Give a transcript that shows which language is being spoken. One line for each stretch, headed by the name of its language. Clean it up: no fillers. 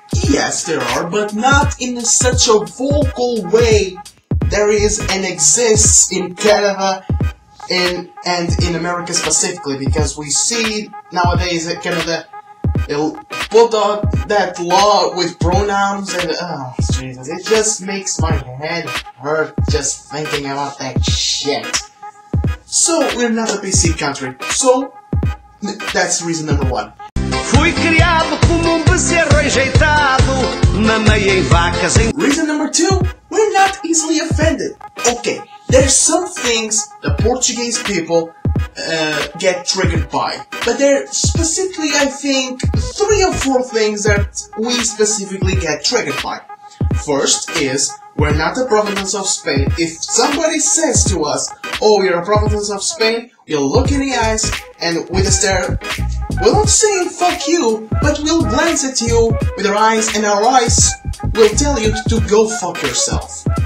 English: Yes, there are, but not in such a vocal way there is and exists in Canada and in America specifically, because we see nowadays that Canada put out that law with pronouns and, Jesus, it just makes my head hurt just thinking about that shit. So, we're not a PC country, so that's reason number one.
Portuguese: Fui criado como um bezerro rejeitado, mamei em vacas em...
English: Reason number two, we're not easily offended. Okay, there's some things the Portuguese people get triggered by, but there are specifically, I think, three or four things that we specifically get triggered by. First is, we're not a province of Spain. If somebody says to us, oh, you're a province of Spain, you'll look in the eyes and with a stare, we're not saying fuck you, but we'll glance at you with our eyes, and our eyes will tell you to go fuck yourself.